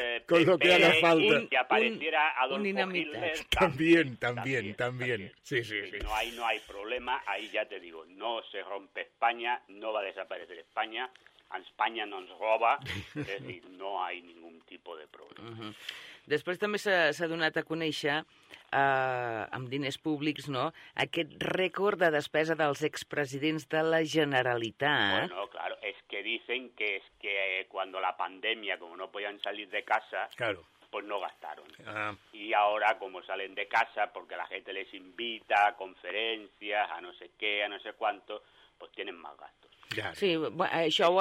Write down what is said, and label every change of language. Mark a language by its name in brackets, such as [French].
[Spanish] con lo que haga falta. Si apareciera Adolfo Hitler... También. Sí. No hay problema, ahí ya te digo, no se rompe España, no va a desaparecer España, a España no [Catalan] ens roba, [Spanish] es decir, no hay ningún tipo de problema. Uh-huh. [Catalan] Després també s'ha donat a conèixer, amb diners públics, no?, aquest rècord de despesa dels expresidents de la Generalitat. [Spanish] Bueno, claro, es que dicen que es que cuando la pandemia, como no podían salir de casa, claro, pues no gastaron. Y ahora, como salen de casa, porque la gente les invita a conferencias, a no sé qué, a no sé cuánto, pues tienen más gastos. Claro. [Catalan] Sí, bueno, això ho...